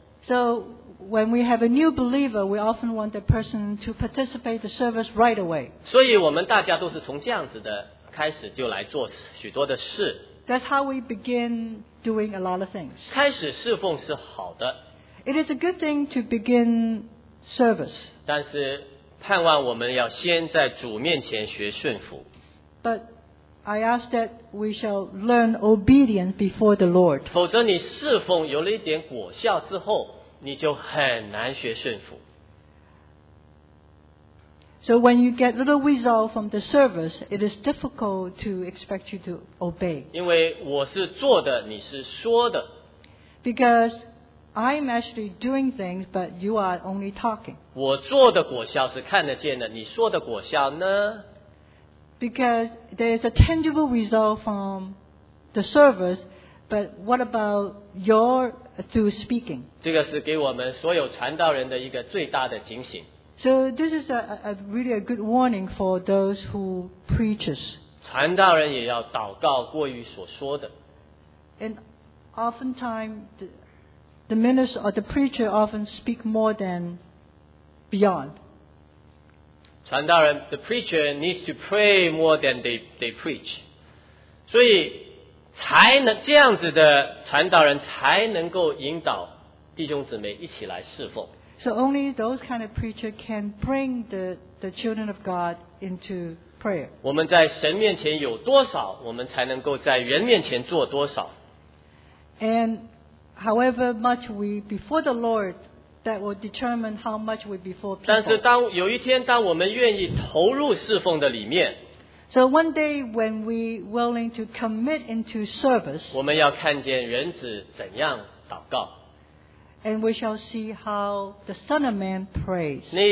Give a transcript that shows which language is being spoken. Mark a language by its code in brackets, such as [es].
[en] So, when we have a new believer, we often want the person to participate in the service right away. [zh] 所以我们大家都是从这样子的开始就来做许多的事。 [en] That's how we begin doing a lot of things. [zh] 开始侍奉是好的。 [en] It is a good thing to begin service. [zh] 但是盼望我们要先在主面前学顺服。 [en] But I ask that we shall learn obedience before the Lord. [zh] 否则你侍奉有了一点果效之后, 你就很难学顺服。 [en] So when you get little result from the service, it is difficult to expect you to obey. [zh] 因为我是做的, 你是说的。 [en] Because I'm actually doing things, but you are only talking. [zh] 我做的果效是看得见的, 你说的果效呢? [en] Because there is a tangible result from the service, but what about your through speaking? [zh] 这个是给我们所有传道人的一个最大的警醒。 [en] So this is a really good warning for those who preaches. [zh] 传道人也要祷告过于所说的。 [en] And oftentimes the minister or the preacher often speak more than beyond. 传道人, the preacher needs to pray more than they preach. [zh] 所以, 才能这样子的传道人才能够引导弟兄姊妹一起来侍奉。 [en] So only those kind of preacher can bring the children of God into prayer. [zh] 我们在神面前有多少，我们才能够在人面前做多少。 [en] And however much we before the Lord, that will determine how much we before people. [zh] 但是当有一天，当我们愿意投入侍奉的里面。 [en] So one day when we willing to commit into service, [zh] 我们要看见人子怎样祷告。 [en] And we shall see how the Son of Man prays.